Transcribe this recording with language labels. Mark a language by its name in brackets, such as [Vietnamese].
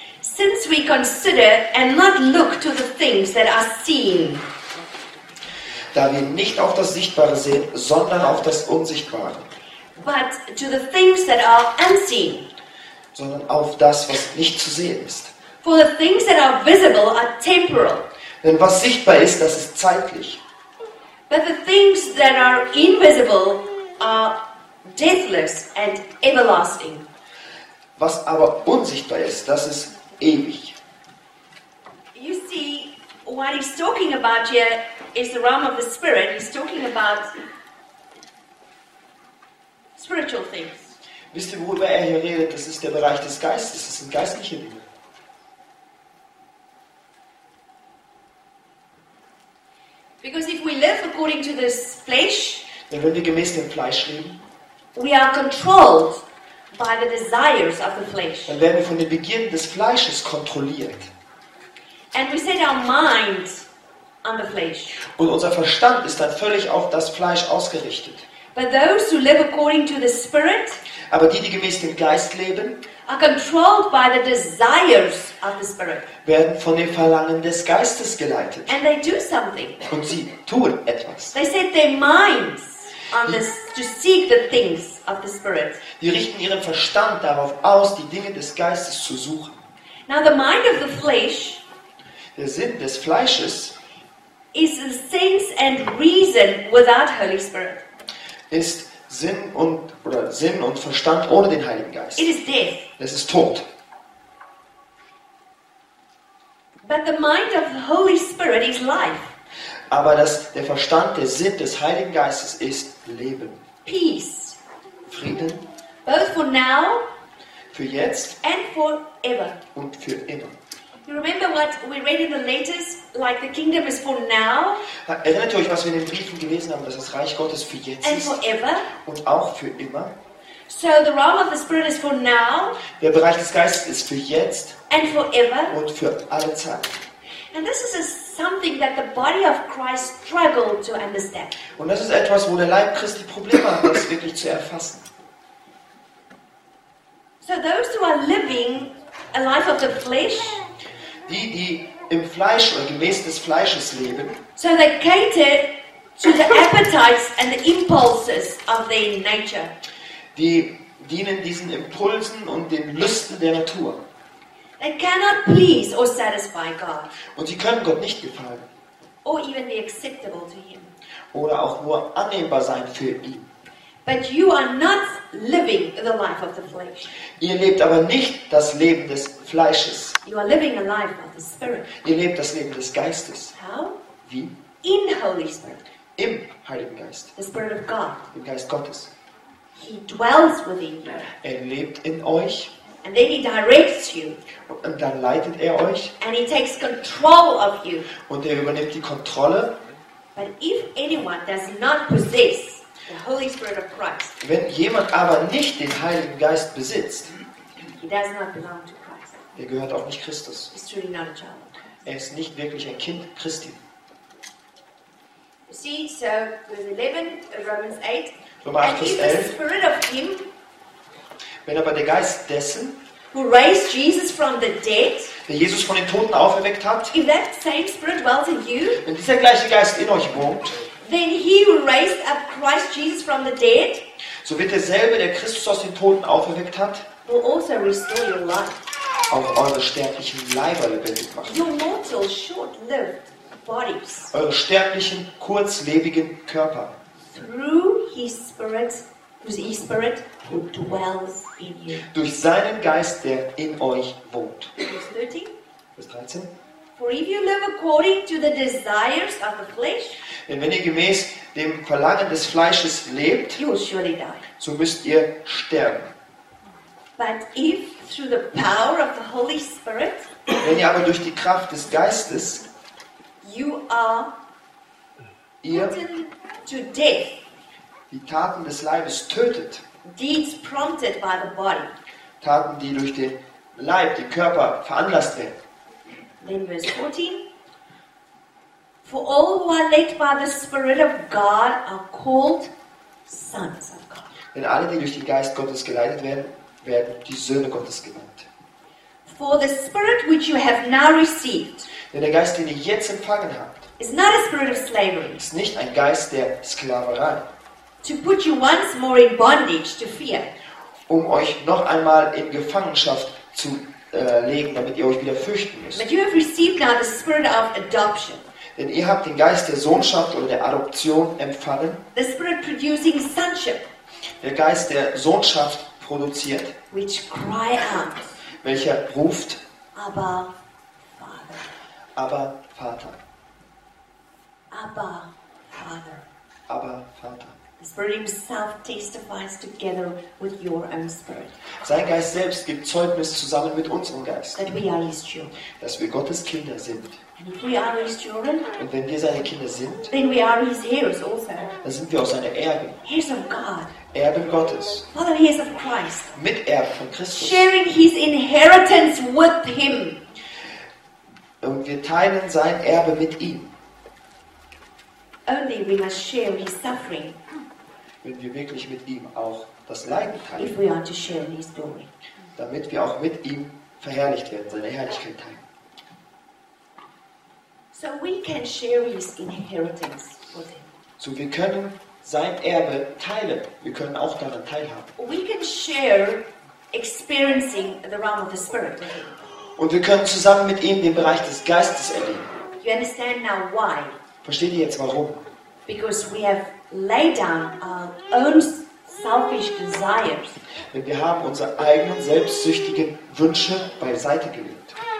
[English] Since we consider and not look to the things that are seen. [German] Da wir nicht auf das Sichtbare sehen, sondern auf das Unsichtbare. [English] But to the things that are unseen. [German] Sondern auf das, was nicht zu sehen ist. [English] For the things that are visible are temporal. [German] Denn was sichtbar ist, das ist zeitlich. [English] But the things that are invisible are deathless and everlasting. [German] Was aber unsichtbar ist, das ist ewig. [English] You see, what he's talking about here is the realm of the spirit. He's talking about spiritual things. [German] Wisst ihr, worüber er hier redet? Das ist der Bereich des Geistes. Das sind geistliche Dinge. [English] Because if we live according to this flesh, [German] denn wenn wir gemäß dem Fleisch leben, [English] we are controlled by the desires of the flesh. [German] Dann werden wir von den Begierden des Fleisches kontrolliert. [English] And we set our mind on the flesh. [German] Und unser Verstand ist dann völlig auf das Fleisch ausgerichtet. [English] But those who live according to the spirit, [German] aber die gemäß dem Geist leben, [English] are controlled by the desires of the spirit. [German] Werden von den Verlangen des Geistes geleitet. [English] And they do something. [German] Und sie tun etwas. [English] They set their minds on this, to seek the things of the spirit. [German] Die richten ihren Verstand darauf aus, die Dinge des Geistes zu suchen. [English] Now the mind of the flesh, [German] der Sinn des Fleisches, [English] is the sense and reason without Holy Spirit. [German] Ist Sinn und oder Sinn und Verstand ohne den Heiligen Geist. [English] It is death. [German] Es ist tot. [English] But the mind of the Holy Spirit is life. [German] Aber dass der Verstand, der Sinn des Heiligen Geistes ist Leben. [English] Peace. [German] Frieden. [English] Both for now. [German] Für jetzt. [English] And forever. [German] Und für immer. [English] You remember what we read in the letters, like the kingdom is for now. [German] Erinnert ihr euch, was wir in den Briefen gelesen haben, dass das Reich Gottes für jetzt [English] and [German] ist. [English] And forever. [German] Und auch für immer. [English] So the realm of the spirit is for now. [German] Der Bereich des Geistes ist für jetzt. [English] And forever. [German] Und für alle Zeit. [English] And this is a something that the body of Christ struggled to understand. [German] Und das ist etwas, wo der Leib Christi Probleme hat, das wirklich zu erfassen. [English] So those who are living a life of the flesh, [German] die im Fleisch oder gemäß des Fleisches leben, [English] so they cater to the appetites and the impulses of their nature. [German] Die dienen diesen Impulsen und den Lüsten der Natur. [English] They cannot please or satisfy God. [German] Und sie können Gott nicht gefallen. [English] Or even be acceptable to him. [German] Oder auch nur annehmbar sein für ihn. [English] But you are not living the life of the flesh. [German] Ihr lebt aber nicht das Leben des Fleisches. [English] You are living a life of the spirit. [German] Ihr lebt das Leben des Geistes. [English] How? [German] Wie? [English] In Holy Spirit. [German] Im Heiligen Geist. [English] The Spirit of God. [German] Im Geist Gottes. [English] He dwells within you. [German] Er lebt in euch. [English] And then he directs you. [German] Und dann leitet er euch. [English] And he takes control of you. [German] Und er übernimmt die Kontrolle. [English] But if anyone does not possess the Holy Spirit of Christ, [German] wenn jemand aber nicht den Heiligen Geist besitzt, [English] he does not belong to Christ. [German] Er gehört auch nicht Christus. [English] He's truly not a child of Christ. [German] Er ist nicht wirklich ein Kind Christi. [English] You see, so verse 11, Romans 8. Romans 8, and if the Spirit of him, [German] wenn aber der Geist dessen, [English] who raised Jesus from the dead, [German] der Jesus von den Toten auferweckt hat, [English] if that same Spirit dwells in you, [German] wenn dieser gleiche Geist in euch wohnt, [English] then he who raised up Christ Jesus from the dead, [German] so wird derselbe, der Christus aus den Toten auferweckt hat, [English] will also restore your life, [German] auch eure sterblichen Leiber lebendig machen. [English] Your mortal, short-lived bodies, [German] eure sterblichen, kurzlebigen Körper. [English] Through his spirit, who dwells in you. [German] Durch seinen Geist, der in euch wohnt. Vers 13. [English] For if you live according to the desires of the flesh, [German] denn wenn ihr gemäß dem Verlangen des Fleisches lebt, [English] you will surely die. [German] So müsst ihr sterben. [English] But if through the power of the Holy Spirit, [German] wenn ihr aber durch die Kraft des Geistes, [English] you are eaten to death, [German] die Taten des Leibes tötet, [English] deeds prompted by the body, [German] Taten, die durch den Leib, den Körper veranlasst werden. [English] Then verse 14. For all who are led by the Spirit of God are called sons of God. [German] Denn alle, die durch den Geist Gottes geleitet werden, werden die Söhne Gottes genannt. [English] For the Spirit which you have now received, [German] denn der Geist, den ihr jetzt empfangen habt, [English] is not a spirit of slavery, [German] ist nicht ein Geist der Sklaverei, [English] to put you once more in bondage to fear, [German] um euch noch einmal in Gefangenschaft zu legen, damit ihr euch wieder fürchten müsst. [English] But you have received now the spirit of adoption, [German] denn ihr habt den Geist der Sohnschaft oder der Adoption empfangen, [English] the spirit producing sonship, [German] der Geist der Sohnschaft produziert, [English] which cry out, [German] welcher ruft, [English] Abba, Father. [German] Aber Vater. [English] Abba, Father. [German] Abba, Vater. [English] The Spirit himself testifies together with your own spirit. [German] Sein Geist selbst gibt Zeugnis zusammen mit unserem Geist, [English] that we are his children, [German] dass wir Gottes Kinder sind. [English] And if we are his children, [German] und wenn wir seine Kinder sind, [English] then we are his heirs also. [German] Dann sind wir auch seine Erben. [English] Heirs of God. [German] Erben Gottes. [English] Father, heirs of Christ. [German] Miterben von Christus. [English] Sharing his inheritance with him. [German] Und wir teilen sein Erbe mit ihm. [English] Only we must share his suffering, [German] wenn wir wirklich mit ihm auch das Leiden teilen, [English] if we are to share his glory, [German] damit wir auch mit ihm verherrlicht werden, seine Herrlichkeit teilen. [English] So we can share his inheritance with him. [German] So wir können sein Erbe teilen. Wir können auch daran teilhaben. [English] We can share experiencing the realm of the spirit. [German] Und wir können zusammen mit ihm den Bereich des Geistes erleben. [English] You understand now why? [German] Versteht ihr jetzt warum? [English] Because we have laid down our own selfish desires. [German] Denn wir haben unsere eigenen selbstsüchtigen Wünsche beiseite gelegt.